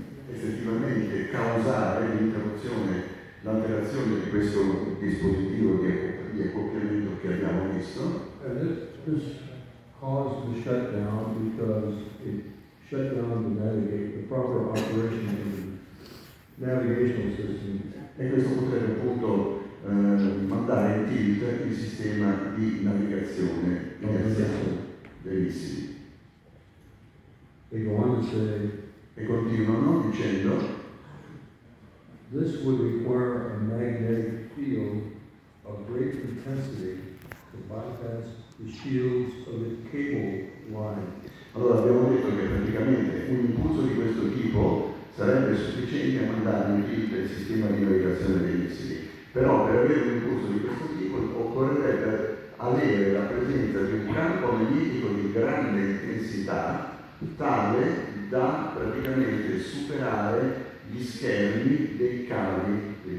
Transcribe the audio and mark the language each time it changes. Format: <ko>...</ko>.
<it>Effettivamente causare l'interruzione, l'alterazione di questo dispositivo di accoppiamento che abbiamo visto.</it> <en>And this caused the shutdown because it shut down the proper operation of the navigational system.</en> <it>E questo potrebbe appunto mandare in tilt il sistema di navigazione dei missili.</it> <en>They go on to say.</en> <it>E continuano dicendo</it> <en>this would require a magnetic field of great intensity to bypass the shields of the cable line.</en> <it>Allora abbiamo detto che praticamente un impulso di questo tipo sarebbe sufficiente a mandare in tilt il sistema di navigazione dei missili, però per avere un impulso di questo tipo occorrerebbe avere la presenza di un campo magnetico di grande intensità tale da praticamente superare gli schermi dei cavi,</it>